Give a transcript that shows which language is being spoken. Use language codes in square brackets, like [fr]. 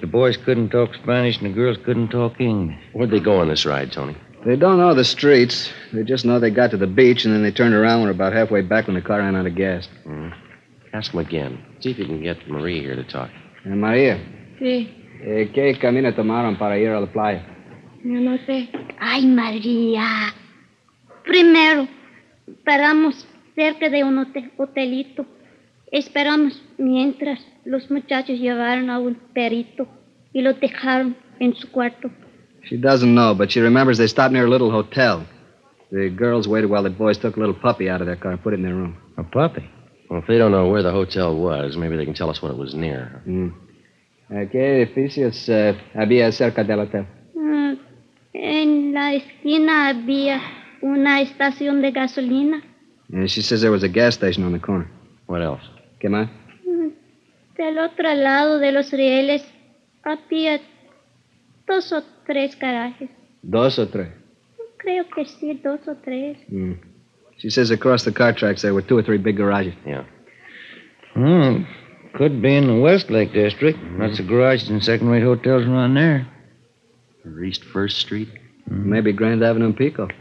[en] The boys couldn't talk Spanish and the girls couldn't talk English. Where'd they go on this ride, Tony? They don't know the streets. They just know they got to the beach and then they turned around and were about halfway back when the car ran out of gas. Mm-hmm. Ask him again. See if you can get Marie here to talk. Maria? [es] Sí. ¿Qué camino tomaron para ir a la playa? Yo no sé. Ay, Maria. Primero, paramos cerca de un hotelito. Esperamos mientras los muchachos llevaron a un perrito y lo dejaron en su cuarto. [en] She doesn't know, but she remembers they stopped near a little hotel. The girls waited while the boys took a little puppy out of their car and put it in their room. A puppy? Well, if they don't know where the hotel was, maybe they can tell us what it was near. [es] Mm. ¿Qué edificios había cerca del hotel? En la esquina había una estación de gasolina. [en] And she says there was a gas station on the corner. What else? [es] ¿Qué más? Del otro lado de los rieles había dos o tres garajes. ¿Dos o tres? Creo que sí, dos o tres. Mm. [en] She says across the car tracks there were two or three big garages. Yeah. Hmm. Could be in the Westlake District. Mm-hmm. Lots of garages and second-rate hotels around there. Or East First Street. Mm-hmm. Maybe Grand Avenue and Pico.